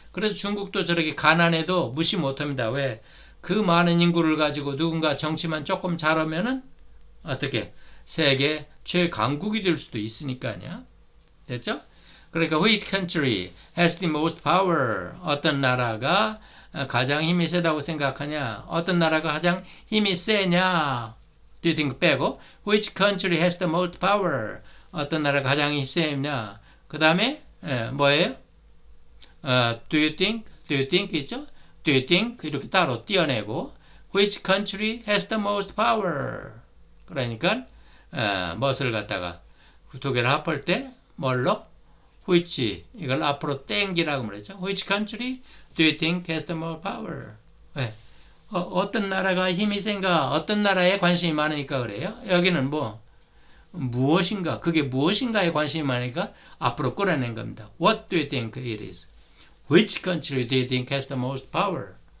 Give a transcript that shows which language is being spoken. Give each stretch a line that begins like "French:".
Korean: 그래서 중국도 저렇게 가난해도 무시 못합니다. 왜? 그 많은 인구를 가지고 누군가 정치만 조금 잘하면은 어떻게 세계 최강국이 될 수도 있으니까요. 됐죠? 그러니까
English: which country has the most power?
Korean: 어떤 나라가 가장 힘이 세다고 생각하냐? 어떤 나라가 가장 힘이 세냐?
English: Do you think 빼고 which country has the most power?
Korean: 어떤 나라가 가장 힘이 세냐? 그 다음에 뭐예요?
English: Do you think? Do you think
Korean: 있죠?
English: Do you think?
Korean: 이렇게 따로 띄어내고
English: Which country has the most power?
Korean: 그러니까 무엇을 갖다가 두 개를 합할 때 뭘로? Which 이걸 앞으로 땡기라고 말했죠.
English: Which country do you think has the most power?
Korean: 왜? 어떤 나라가 힘이 센가? 어떤 나라에 관심이 많으니까 그래요? 여기는 뭐 무엇인가? 그게 무엇인가에 관심이 많으니까 앞으로 끌어낸 겁니다.
English: What do you think it is? Which country do you think has the most power?